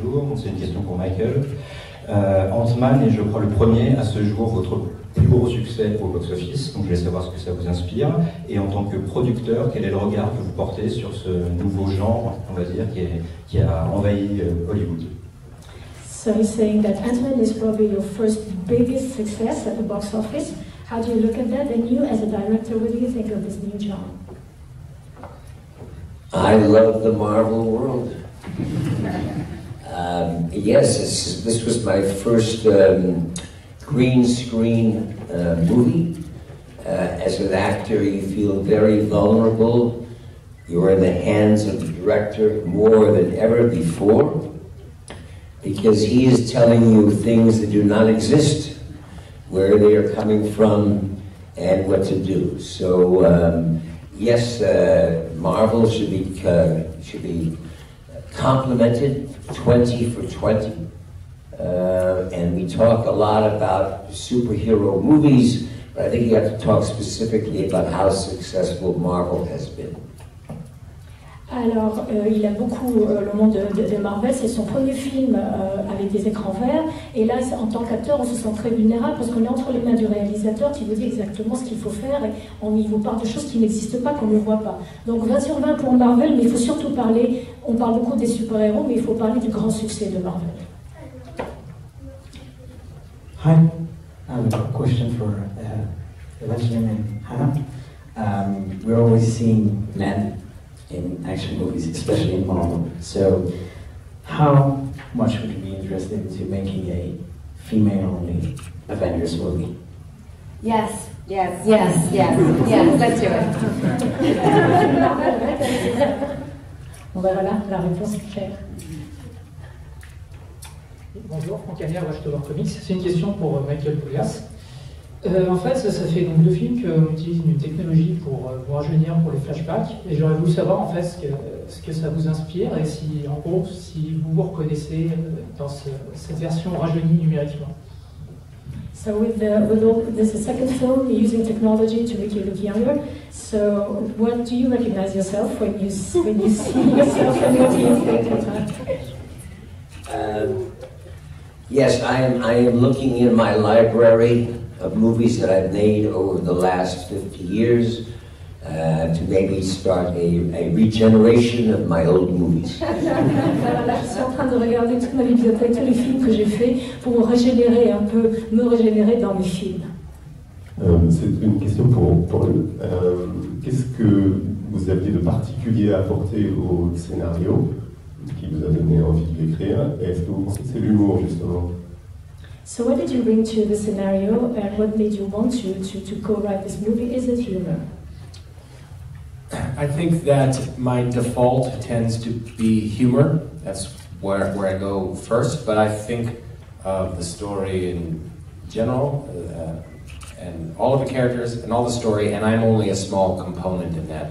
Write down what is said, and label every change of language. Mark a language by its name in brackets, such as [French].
[French] jour, c'est une question pour Michael. Ant-Man est, je crois, le premier à ce jour, votre plus gros succès au box-office, donc je voulais savoir ce que ça vous inspire. Et en tant que producteur, quel est le regard que vous portez sur ce nouveau genre, on va dire, qui a envahi Hollywood? [English] So he's saying that Ant-Man is probably your first biggest success at the box office. How do you look at that? And you, as a director, what do you think of this new genre? I love the Marvel world. yes, this was my first green screen movie. As an actor, you feel very vulnerable You are in the hands of the director more than ever before, because he is telling you things that do not exist, where they are coming from, and what to do. So, yes, Marvel should be complimented 20 for 20. And we talk a lot about superhero movies, but I think you have to talk specifically about how successful Marvel has been. [French] Alors, il aime beaucoup le monde de Marvel, c'est son premier film avec des écrans verts. Et là, en tant qu'acteur, on se sent très vulnérable parce qu'on est entre les mains du réalisateur qui vous dit exactement ce qu'il faut faire et on y vous parle de choses qui n'existent pas, qu'on ne voit pas. Donc 20 sur 20 pour Marvel, mais il faut surtout parler, on parle beaucoup des super-héros, mais il faut parler du grand succès de Marvel. [English] Hi, I have a question for Evangeline and Hannah. We're always seeing men in action movies, especially in Marvel. So how much would you be interested in making a female-only Avengers movie? Yes, let's do it. [French] On verra là, la réponse est claire. Bonjour, Franck Agnès, Watchtower Comics. C'est une question pour Michael Poulias. En fait, ça fait donc deux films qu'on utilise une technologie pour rajeunir pour les flashbacks. Et j'aurais voulu savoir en fait ce que ça vous inspire et si, en gros, si vous vous reconnaissez dans cette version rajeunie numériquement. [English] So this is a second film using technology to make you look younger. So what do you recognize yourself when you see yourself in your film? Yes, I am looking in my library of movies that I've made over the last 50 years to maybe start a regeneration of my old movies. I'm [French] en train de regarder toute ma bibliothèque, tous les films que j'ai fait pour régénérer un peu, me régénérer dans mes films. C'est une question pour lui. Qu'est-ce que vous aviez de particulier à apporter au scénario qui vous a donné envie de l'écrire? Est-ce que vous pensez que c'est l'humour, justement? [English] So what did you bring to the scenario and what made you want to co-write this movie? Is it humor? I think that my default tends to be humor. That's where I go first. But I think of the story in general and all of the characters and all the story, and I'm only a small component in that.